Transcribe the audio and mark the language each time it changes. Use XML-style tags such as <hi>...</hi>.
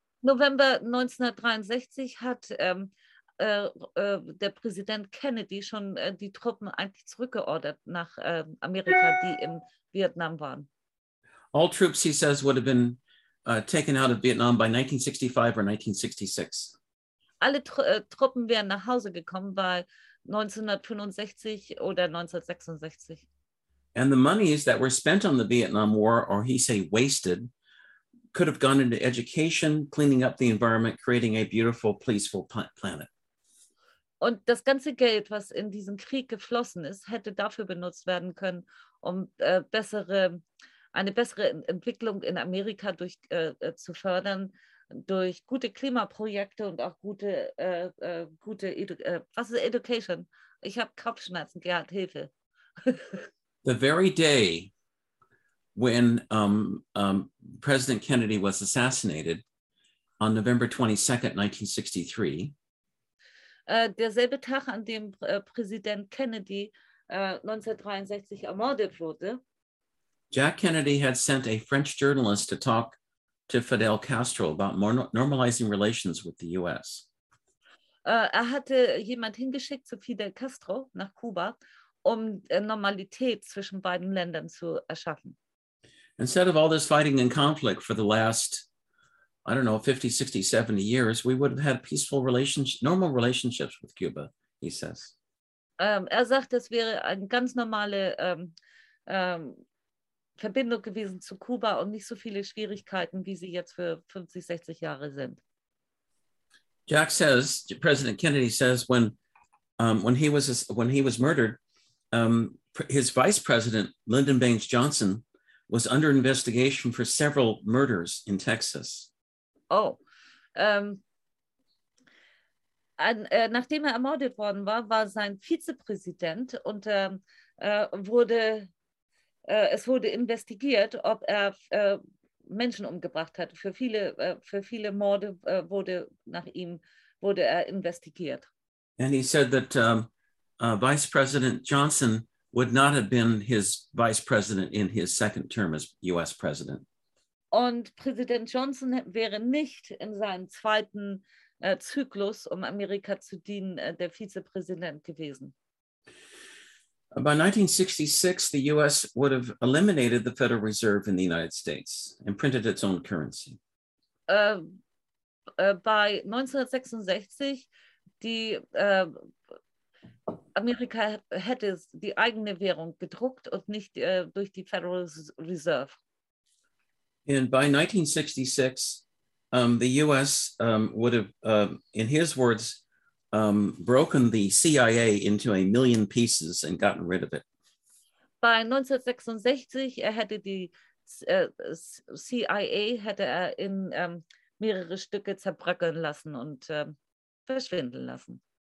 <de>November 1963 hat der Präsident Kennedy schon die Truppen eigentlich zurückgeordert nach Amerika, die in Vietnam waren.</de> <en>All troops, he says, would have been taken out of Vietnam by 1965 or 1966.</en> <de>Alle Truppen wären nach Hause gekommen bei 1965 oder 1966.</de> <en>And the monies that were spent on the Vietnam War, or he say wasted, could have gone into education, cleaning up the environment, creating a beautiful, peaceful planet.</en> <de>Und das ganze Geld, was in diesen Krieg geflossen ist, hätte dafür benutzt werden können, um eine bessere Entwicklung in Amerika zu fördern, durch gute Klimaprojekte und auch Education? Ich habe Kopfschmerzen, Gerhard, Hilfe.</de> <en>The very day when President Kennedy was assassinated on November 22nd, 1963,</en> <de>derselbe Tag, an dem Präsident Kennedy 1963 ermordet wurde.</de> <en>Jack Kennedy had sent a French journalist to talk to Fidel Castro about normalizing relations with the U.S.</en> <de>Er hatte jemand hingeschickt zu Fidel Castro nach Kuba, um Normalität zwischen beiden Ländern zu erschaffen.</de> <en>instead of all this fighting and conflict for the last, I don't know, 50, 60, 70 years, we would have had peaceful relations, normal relationships with Cuba, he says.</en> <de>Er sagt, das wäre eine ganz normale Verbindung gewesen zu Kuba und nicht so viele Schwierigkeiten, wie sie jetzt für 50, 60 Jahre sind.</de> <en>Jack says, President Kennedy says, when he was murdered, his vice president, Lyndon Baines Johnson, was under investigation for several murders in Texas. Oh.</en> <de>Nachdem er ermordet worden war, war sein Vizepräsident und es wurde investigiert, ob er Menschen umgebracht hat. Für viele Morde wurde er investigiert.</de> <en>And he said that Vice President Johnson would not have been his vice president in his second term as U.S. president.</en> <de>Und Präsident Johnson wäre nicht in seinem zweiten Zyklus, um Amerika zu dienen, der Vizepräsident gewesen.</de> <en>By 1966, the U.S. would have eliminated the Federal Reserve in the United States and printed its own currency.</en> <de>By 1966, Amerika hätte die eigene Währung gedruckt und nicht durch die Federal Reserve.</de> <en>And by 1966, the U.S. Would have, in his words, broken the CIA into a million pieces and gotten rid of it.</en> <de>By 1966, CIA hätte er in mehrere Stücke zerbröckeln lassen und verschwinden lassen.</de>